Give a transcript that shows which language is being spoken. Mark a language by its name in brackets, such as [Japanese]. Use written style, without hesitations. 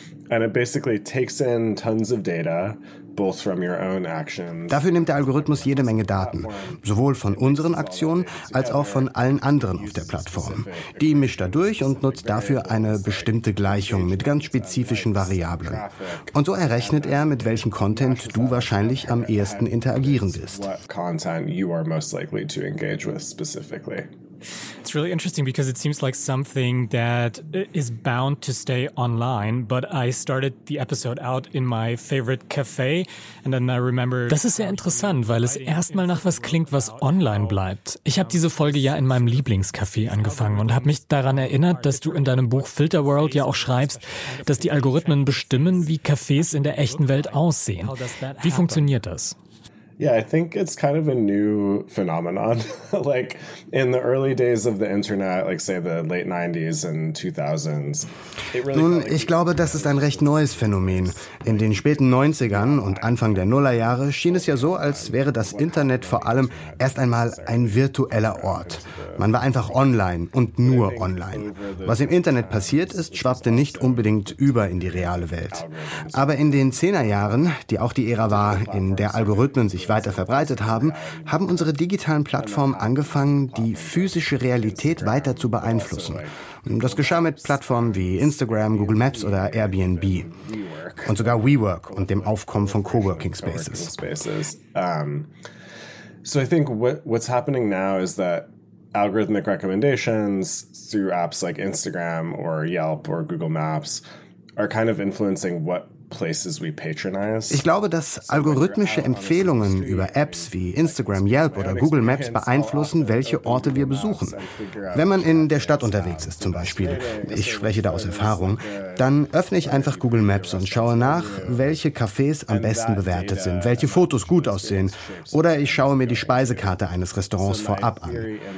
[English] And it basically takes in tons of data, both from your own actions. [German] Dafür nimmt der Algorithmus jede Menge Daten, sowohl von unseren Aktionen als auch von allen anderen auf der Plattform. Die mischt er durch und nutzt dafür eine bestimmte Gleichung mit ganz spezifischen Variablen. Und so errechnet er, mit welchem Content du wahrscheinlich am ehesten interagieren wirst. [English] Content you are most likely to engage with specifically. It's really interesting because it seems like something that is bound to stay online, but I started the episode out in my favorite cafe and then I remember. [German] Das ist sehr interessant, weil es erstmal nach was klingt, was online bleibt. Ich habe diese Folge ja in meinem Lieblingscafé angefangen und habe mich daran erinnert, dass du in deinem Buch Filter World ja auch schreibst, dass die Algorithmen bestimmen, wie Cafés in der echten Welt aussehen. Wie funktioniert das? [English] Yeah, I think it's kind of a new phenomenon. Like in the early days of the internet, like say the late 90s and 2000s. [German] Nun, ich glaube, das ist ein recht neues Phänomen. In den späten 90ern und Anfang der Nullerjahre schien es ja so, als wäre das Internet vor allem erst einmal ein virtueller Ort. Man war einfach online und nur online. Was im Internet passiert ist, schwappte nicht unbedingt über in die reale Welt. Aber in den 10er Jahren, die auch die Ära war, in der Algorithmen sich sich weiter verbreitet haben, haben unsere digitalen Plattformen angefangen, die physische Realität weiter zu beeinflussen. Das geschah mit Plattformen wie Instagram, Google Maps oder Airbnb. Und sogar WeWork und dem Aufkommen von Coworking Spaces. [English] So I think what's happening now is that algorithmic recommendations through apps like Instagram or Yelp or Google Maps are kind of influencing what places we patronize. [German] Ich glaube, dass algorithmische Empfehlungen über Apps wie Instagram, Yelp oder Google Maps beeinflussen, welche Orte wir besuchen. Wenn man in der Stadt unterwegs ist zum Beispiel, ich spreche da aus Erfahrung, dann öffne ich einfach Google Maps und schaue nach, welche Cafés am besten bewertet sind, welche Fotos gut aussehen oder ich schaue mir die Speisekarte eines Restaurants vorab an.